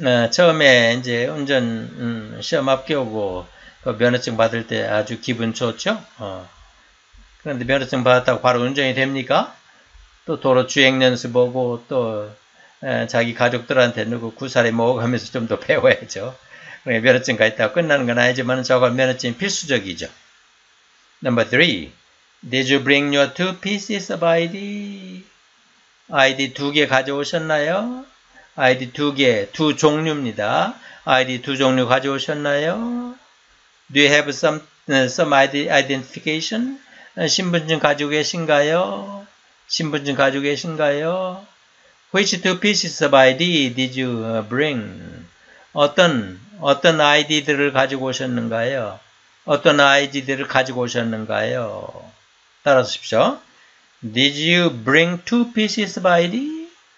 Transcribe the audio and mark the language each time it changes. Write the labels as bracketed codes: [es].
[ko] 처음에 이제 운전 시험 합격하고 그 면허증 받을 때 아주 기분 좋죠. 그런데 면허증 받았다고 바로 운전이 됩니까? 또 도로 주행 연습 보고 또 자기 가족들한테 누구 구사리 먹어가면서 좀 더 배워야죠. 그러니까 면허증 가 있다가 끝나는 건 아니지만 저건 면허증이 필수적이죠. [en] Number three, did you bring your two pieces of ID? [ko] ID 두 개 가져오셨나요? ID 두 개, 두 종류입니다. ID 두 종류 가져오셨나요? [en] Do you have some ID identification? [ko] 신분증 가지고 계신가요? 신분증 가지고 계신가요? [en] Which two pieces of ID did you bring? [ko] 어떤 ID들을 가지고 오셨는가요? 어떤 ID들을 가지고 오셨는가요? 따라서 십시오. [en] Did you bring two pieces of ID?